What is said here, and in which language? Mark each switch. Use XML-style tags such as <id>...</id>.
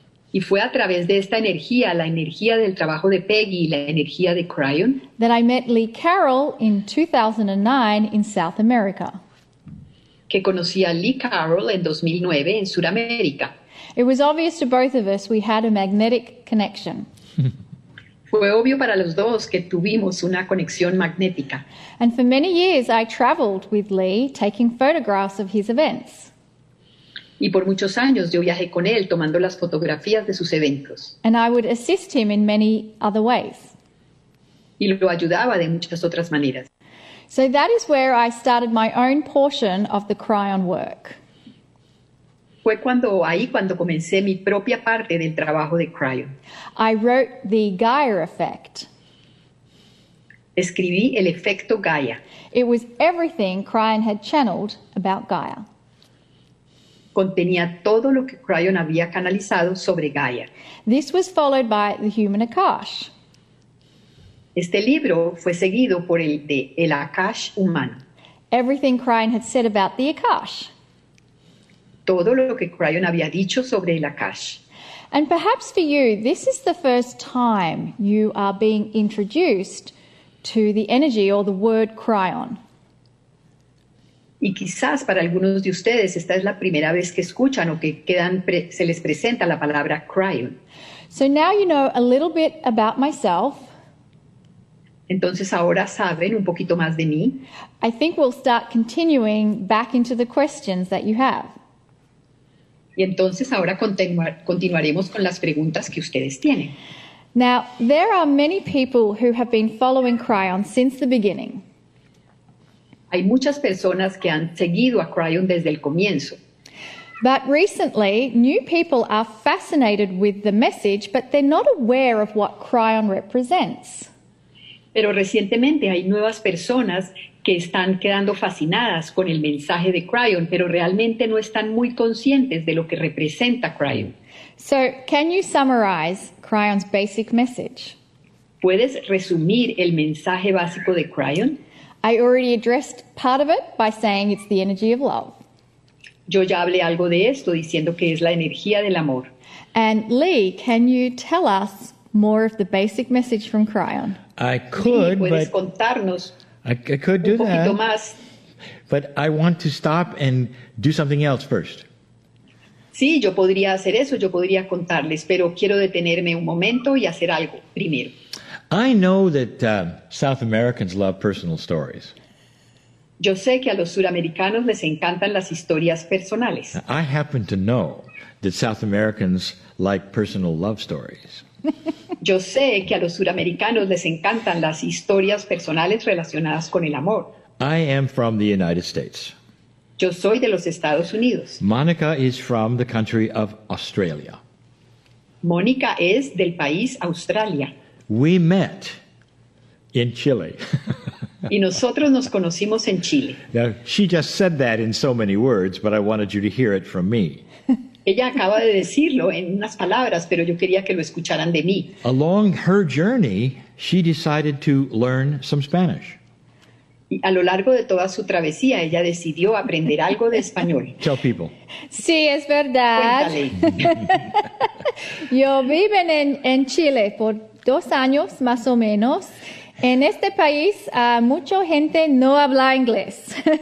<es>Y fue a través de esta energía, la energía del trabajo de Peggy y la energía de Cryon,</es> <en>that I met Lee Carroll in 2009 in South America.</en> <es>Que conocí a Lee Carroll en 2009 en Sudamérica.</es> <en>It was obvious to both of us we had a magnetic connection.</en> <es>Fue obvio para los dos que tuvimos una conexión magnética.</es> <en>And for many years I traveled with Lee taking photographs of his events.</en> <es>Y por muchos años yo viajé con él tomando las fotografías de sus eventos.</es> <en>And I would assist him in many other ways.</en> <es>Y lo ayudaba de muchas otras maneras.</es> <en>So that is where I started my own portion of the Cryon work.</en> <es>Fue cuando comencé mi propia parte del trabajo de Cryon.</es> <en>I wrote the Gaia effect.</en> <es>Escribí el efecto Gaia.</es> <en>It was everything Cryon had channeled about Gaia.</en> <es>Contenía todo lo que Cryon había canalizado sobre Gaia.</es> <en>This was followed by the Human Akash.</en> <es>Este libro fue seguido por el de El Akash Humano.</es> <en>Everything Cryon had said about the Akash.</en> <es>Todo lo que Cryon había dicho sobre el Akash.</es> <en>And perhaps for you, this is the first time you are being introduced to the energy or the word Cryon.</en> <es>Y quizás para algunos de ustedes esta es la primera vez que escuchan o que se les presenta la palabra Cryon.</es> <en>So now you know a little bit about myself.</en> <es>Entonces ahora saben un poquito más de mí.</es> <en>I think we'll start continuing back into the questions that you have.</en> <es>Y entonces ahora continuaremos con las preguntas que ustedes tienen.</es> <en>Now, there are many people who have been following Cryon since the beginning.</en> <es>Hay muchas personas que han seguido a Cryon desde el comienzo.</es> <en>But recently, new people are fascinated with the message, but they're not aware of what Cryon represents.</en> <es>Pero recientemente hay nuevas personas que están quedando fascinadas con el mensaje de Cryon, pero realmente no están muy conscientes de lo que representa Cryon.</es> <en>So, can you summarize Cryon's basic message?</en> <es>¿Puedes resumir el mensaje básico de Cryon?</es> <en>I already addressed part of it by saying it's the energy of love.</en> <es>Yo ya hablé algo de esto diciendo que es la energía del amor.</es> <en>And Lee, can you tell us more of the basic message from Cryon? I could, Lee,</en> <es>¿puedes contarnos?</es> <en>I could do that.</en> <es>Más.</es> <en>But I want to stop and do something else first.</en> <es>Sí, yo podría hacer eso, yo podría contarles, pero quiero detenerme un momento y hacer algo primero.</es> <en>I know that South Americans love personal stories.</en> <es>Yo sé que a los suramericanos les encantan las historias personales.</es> <en>Now, I happen to know that South Americans like personal love stories.</en> <es>Yo sé que a los suramericanos les encantan las historias personales relacionadas con el amor.</es> <en>I am from the United States.</en> <es>Yo soy de los Estados Unidos.</es> <en>Monica is from the country of Australia.</en> <es>Monica es del país Australia.</es> <en>We met in Chile.</en> <es>Y nosotros nos conocimos en Chile.</es> <en>Now, she just said that in so many words, but I wanted you to hear it from me.</en> <es>Ella acaba de decirlo en unas palabras, pero yo quería que lo escucharan de mí.</es> <en>Along her journey, she decided to learn some Spanish.</en> <es>Y a lo largo de toda su travesía, ella decidió aprender algo de español.</es> <en>Tell people.</en> <es>Sí, es verdad. Yo vivo en Chile por 2 años, más o menos. En este país, mucha gente no habla inglés.</es>